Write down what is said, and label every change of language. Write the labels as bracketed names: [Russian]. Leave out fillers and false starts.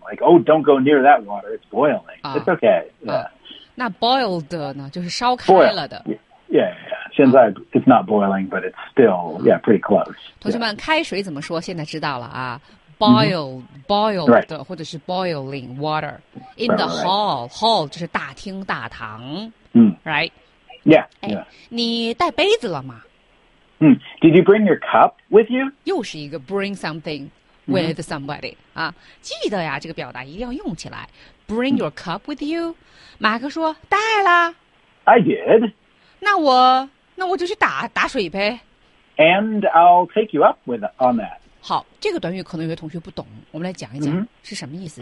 [English] Like, oh, don't go near that water, it's boiling.、It's okay, yeah.、 [Chinese] 那 boiled 呢就是烧开了的。 [English] Yeah. [Chinese] 现在、 [English] it's not boiling, but it's still, yeah, pretty close. [Chinese] 同学们、开水怎么说现在知道了啊。 [English] Boiled,、boiled、 right. [Chinese] 或者是 [English] boiling water. In the hall, hall [Chinese] 就是大厅大堂、 [English] right? Yeah, [Chinese] 你带杯子了吗？ [English] Did you bring your cup with you? [Chinese] 又是一个 [English] bring something with somebody、 [Chinese] 啊、记得呀，这个表达一定要用起来。 [English] Bring your cup with you? [Chinese] 马克说带了。 [English] I did. [Chinese] 那我就去打水呗。 [English] And I'll take you up with on that. [Chinese] 好，这个短语可能有些同学不懂，我们来讲一讲、是什么意思。